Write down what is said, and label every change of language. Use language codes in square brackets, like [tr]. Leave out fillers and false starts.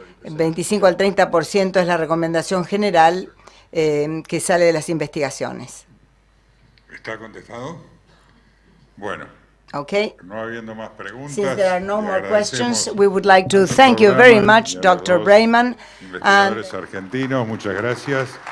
[es] 25 al 30% es la recomendación general que sale de las investigaciones. ¿Está contestado? Bueno. Okay. No habiendo más preguntas, [en] since there are no more questions, we would like to thank you very much, Dr. Brayman. [es] Investigadores argentinos, muchas gracias.